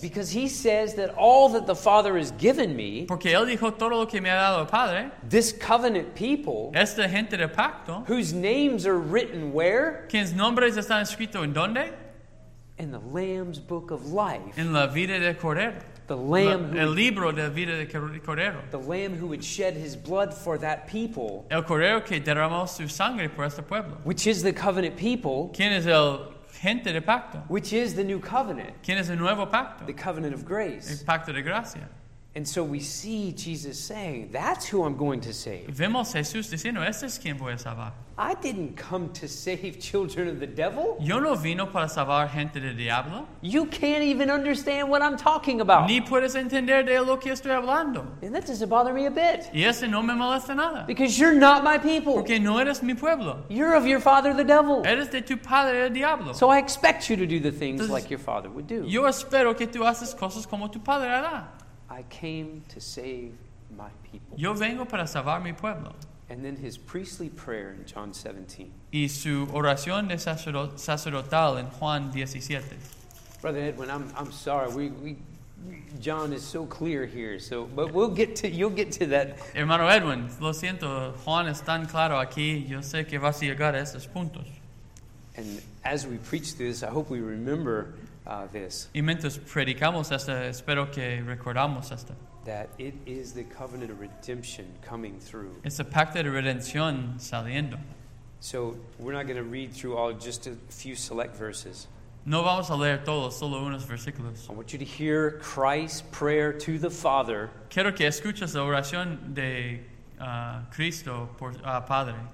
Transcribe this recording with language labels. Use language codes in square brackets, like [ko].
[en] Because he says that all that the Father has given me, [es] porque él dijo todo lo que me ha dado el Padre, [en] this covenant people, [es] esta gente de pacto, [en] whose names are written where? [es] ¿Quiénes nombres están escritos en dónde? [en] In the Lamb's Book of Life. [es] En la vida del Cordero. [en] The Lamb who, [es] el libro de la vida del Cordero. [en] The Lamb who would shed his blood for that people. [es] El Cordero que derramó su sangre por este pueblo. [en] Which is the covenant people. [es] ¿Quién es el gente de pacto? [en] Which is the new covenant. [es] ¿Quién es el nuevo pacto? [en] The covenant of grace. [es] El pacto de gracia. [en] And so we see Jesus saying, that's who I'm going to save. [es] Vemos Jesús diciendo, este es quien voy a salvar. [en] I didn't come to save children of the devil. [es] Yo no vino para salvar gente del diablo. [en] You can't even understand what I'm talking about. [es] Ni puedes entender de lo que estoy hablando. [en] And that doesn't bother me a bit. [es] Y ese no me molesta nada. [en] Because you're not my people. [es] Porque no eres mi pueblo. [en] You're of your father the devil. [es] Eres de tu padre el diablo. [en] So I expect you to do the things Entonces, like your father would do. [es] Yo espero que tú haces cosas como tu padre hará. [en] I came to save my people. [es] Yo vengo para salvar mi pueblo. [en] And then his priestly prayer in John 17. [es] Y su oración de sacerdotal en Juan 17. [en] Brother Edwin, I'm sorry. We John is so clear here. So, but you'll get to that. [es] Hermano Edwin, lo siento. Juan es tan claro aquí. Yo sé que vas a llegar a esos puntos. [en] And as we preach this, I hope we remember this. [es] Y mientras predicamos esto, espero que recordamos esto. [en] That it is the covenant of redemption coming through. [es] Es el pacto de redención saliendo. [en] So we're not going to read through all just a few select verses. [es] No vamos a leer todos, solo unos versículos. [en] I want you to hear Christ's prayer to the Father. [es] Quiero que escuches la oración de Cristo por Padre.